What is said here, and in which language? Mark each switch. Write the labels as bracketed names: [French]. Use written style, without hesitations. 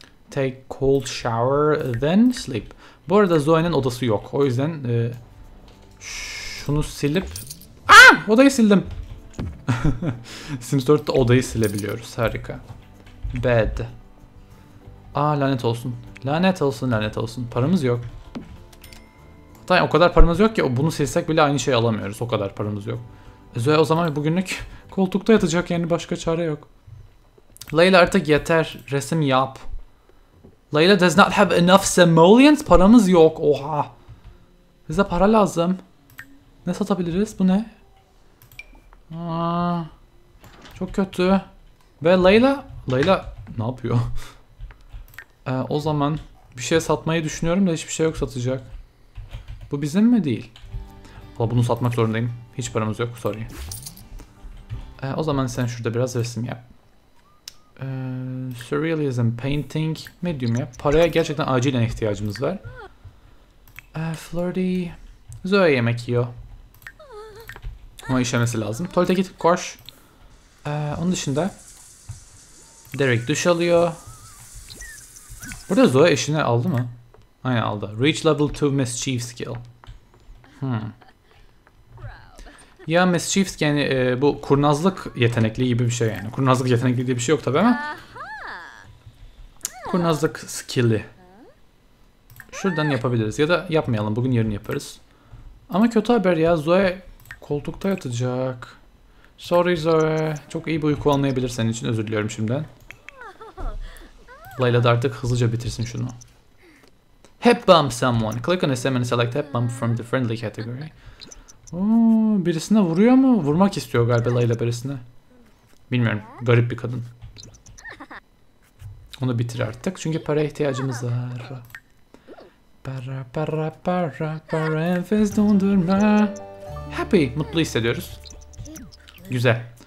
[English] Take cold shower then sleep. [Turkish] Bu arada Zoe'nin odası yok. O yüzden şunu silip... Aa! Odayı sildim. Sims 4'te odayı silebiliyoruz. Harika. Bed. Aa, lanet olsun. Lanet olsun, lanet olsun. Paramız yok. Hatta o kadar paramız yok ki bunu silsek bile aynı şeyi alamıyoruz. O kadar paramız yok. Zoe o zaman bugünlük koltukta yatacak. Yani başka çare yok. Layla artık yeter. Resim yap. [English] Layla does not have enough simoleons. [Turkish] Paramız yok. Oha. Bize para lazım. Ne satabiliriz? Bu ne? Aa, çok kötü. Ve Layla... Layla ne yapıyor? o zaman bir şey satmayı düşünüyorum da hiçbir şey yok satacak. Bu bizim mi değil? Valla bunu satmak zorundayım. Hiç paramız yok. Sorry. O zaman sen şurada biraz resim yap. [English] Surrealism, painting, medium [Turkish] yap. Paraya gerçekten acilen ihtiyacımız var. Flirty. Zoe yemek yiyor. Ama işemesi lazım. Tuvalete git, koş. Onun dışında... Derek duş alıyor. Burada Zoe eşini aldı mı? Aynen aldı. [English] Reach level 2 mischief skill. [Turkish] Ya mischief skill yani bu kurnazlık yetenekliği gibi bir şey yani. Kurnazlık yetenekliği diye bir şey yok tabii ama... Kurnazlık skill'i. Şuradan yapabiliriz ya da yapmayalım. Bugün yarın yaparız. Ama kötü haber ya, Zoe... Koltukta yatacak. Sorry Zoe. Çok iyi bir uyku almayabilir senin için. Özür diliyorum şimdiden. Layla da artık hızlıca bitirsin şunu. [English] Hep bump someone. Click on a sim and select hep bump from the friendly category. [Turkish] Oo, birisine vuruyor mu? Vurmak istiyor galiba Layla birisine. Bilmiyorum. Garip bir kadın. Onu bitir artık. Çünkü para ihtiyacımız var. Para para para para enfes dondurma. Happy. Mutlu hissediyoruz. Güzel.